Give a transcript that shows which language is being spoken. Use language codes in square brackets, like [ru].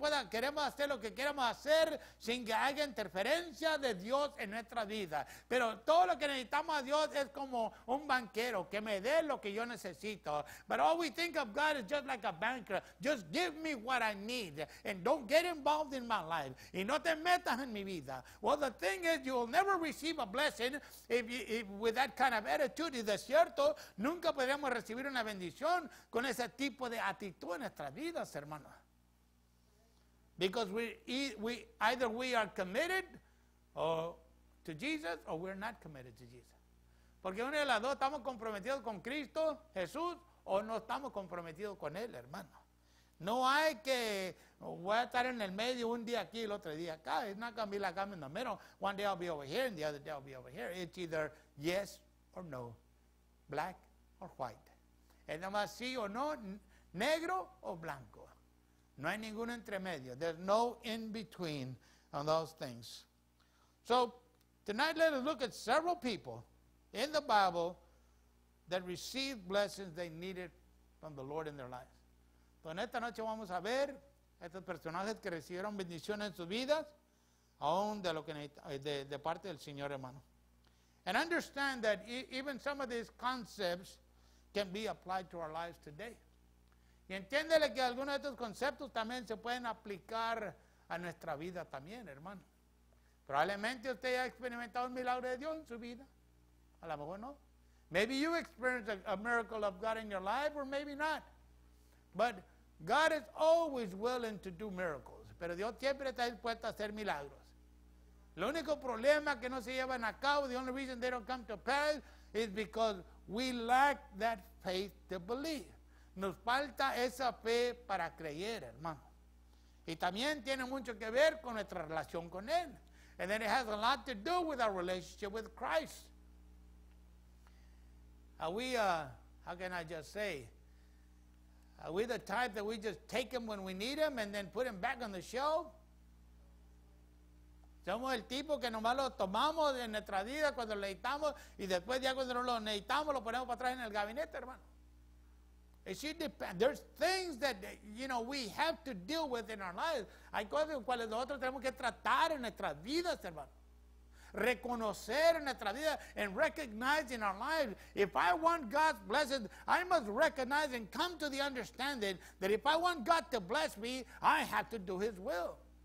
[es] Queremos hacer lo que queremos hacer sin que haya interferencia de Dios en nuestra vida. Pero todo lo que necesitamos a Dios es como un banquero que me dé lo que yo necesito. [en] But all we think of God is just like a banker. Just give me what I need and don't get involved in my life. [es] Y no te metas en mi vida. [en] Well, the thing is, you will never receive a blessing if with that kind of attitude. [es] Y de cierto, nunca podríamos recibir una bendición con ese tipo de actitud en nuestras vidas, hermano. [en] Because we either are committed to Jesus or we're not committed to Jesus. [es] Porque una de las dos, estamos comprometidos con Cristo, Jesús, o no estamos comprometidos con Él, hermano. No hay que, voy a estar en el medio un día aquí, el otro día acá. [en] It's not going to be like I'm in the middle. One day I'll be over here and the other day I'll be over here. It's either yes or no, black or white. [es] Es nomás sí o no, negro o blanco. No hay ningún entremedio. [en] There's no in between on those things. So tonight let us look at several people in the Bible that received blessings they needed from the Lord in their lives. [es] Entonces, esta noche vamos a ver estos personajes que recibieron bendiciones en sus vidas, aún de lo que de parte del Señor, hermano. [en] And understand that even some of these concepts can be applied to our lives today. [es] Y entiéndele que algunos de estos conceptos también se pueden aplicar a nuestra vida también, hermano. Probablemente usted ya ha experimentado un milagro de Dios en su vida. A lo mejor no. [en] Maybe you experienced a miracle of God in your life, or maybe not. But God is always willing to do miracles. [es] Pero Dios siempre está dispuesto a hacer milagros. El único problema que no se llevan a cabo, [en] the only reason they don't come to pass, is because we lack that faith to believe. [es] Nos falta esa fe para creer, hermano. Y también tiene mucho que ver con nuestra relación con Él. [en] And then it has a lot to do with our relationship with Christ. Are we, how can I just say, are we the type that we just take him when we need him and then put him back on the shelf? [es] Somos el tipo que nomás lo tomamos en nuestra vida cuando lo necesitamos y después ya cuando lo necesitamos lo ponemos para atrás en el gabinete, hermano. [en] There's things that, you know, we have to deal with in our lives. [es] Hay cosas con cuales nosotros tenemos que tratar en nuestras vidas, hermano. Reconocer en nuestra vida, [en] and recognize in our lives, if I want God's blessing, I must recognize and come to the understanding that if I want God to bless me, I have to do His will.